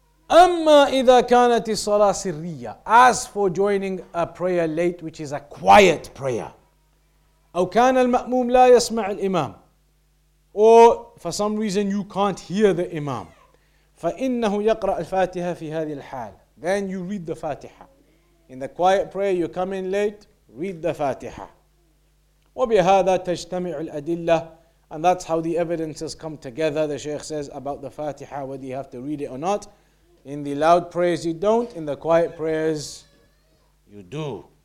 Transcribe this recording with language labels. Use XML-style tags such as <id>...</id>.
<ar>أَمَّا إِذَا كَانَتِ الصَّلَاةِ سِرِّيَّةِ</ar> <en>As for joining a prayer late, which is a quiet prayer.</en> <ar>أَوْ كَانَ الْمَأْمُومُ لَا يَسْمَعِ الْإِمَامِ</ar> <en>Or for some reason you can't hear the imam.</en> <ar>فَإِنَّهُ يَقْرَأَ الْفَاتِحَ فِي هَذِي الْحَالِ</ar> <en>Then you read the Fatiha. In the quiet prayer you come in late, read the Fatiha.</en> <ar>وَبِهَذَا تَجْتَمِعُ الْأَدِلَّةِ</ar> <en>And that's how the evidences come together, the Shaykh says, about the Fatiha, whether you have to read it or not. In the loud prayers you don't, in the quiet prayers you do.</en>